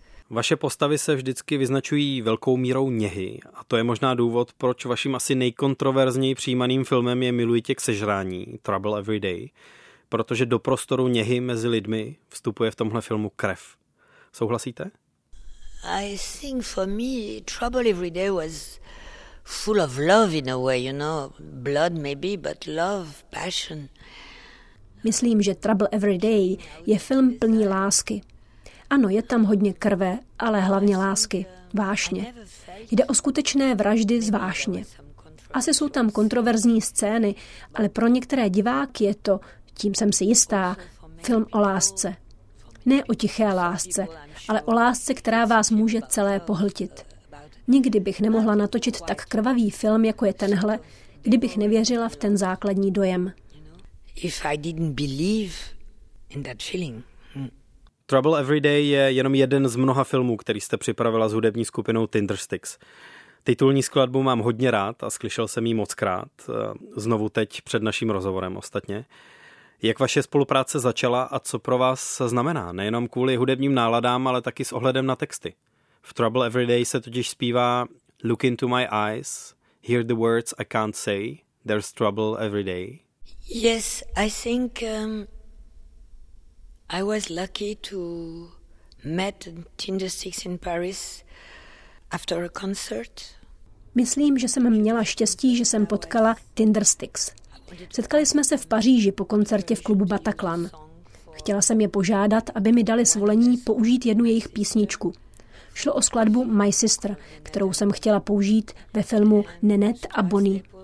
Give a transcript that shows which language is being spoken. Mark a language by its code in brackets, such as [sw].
[cs] Vaše postavy se vždycky vyznačují velkou mírou něhy a to je možná důvod, proč vaším asi nejkontroverzněji přijímaným filmem je Miluji tě k sežrání, Trouble Every Day, protože do prostoru něhy mezi lidmi vstupuje v tomhle filmu krev. Souhlasíte? [en] I think for me Trouble Every Day was full of love in a way, you know, blood maybe, but love, passion. [cs] Myslím, že Trouble Every Day je film plný lásky. Ano, je tam hodně krve, ale hlavně lásky, vášně. Jde o skutečné vraždy z vášně. Asi jsou tam kontroverzní scény, ale pro některé diváky je to, tím jsem si jistá, film o lásce. Ne o tiché lásce, ale o lásce, která vás může celé pohltit. Nikdy bych nemohla natočit tak krvavý film, jako je tenhle, kdybych nevěřila v ten základní dojem. [en] If I didn't believe in that feeling. [cs] Trouble Every Day je jenom jeden z mnoha filmů, který jste připravila s hudební skupinou Tindersticks. Titulní skladbu mám hodně rád a slyšel jsem ji mockrát, znovu teď před naším rozhovorem ostatně. Jak vaše spolupráce začala a co pro vás znamená? Nejenom kvůli hudebním náladám, ale taky s ohledem na texty. V Trouble Every Day se totiž zpívá [en] Look into my eyes, hear the words I can't say, there's trouble every day. Yes, I think I was lucky to meet Tindersticks in Paris after a concert. [cs] Myslím, že jsem měla štěstí, že jsem potkala Tindersticks. Setkali jsme se v Paříži po koncertě v klubu Bataclan. Chtěla jsem je požádat, aby mi dali svolení použít jednu jejich písničku. Šlo o skladbu My Sister, kterou jsem chtěla použít ve filmu Nanette a Bonnie.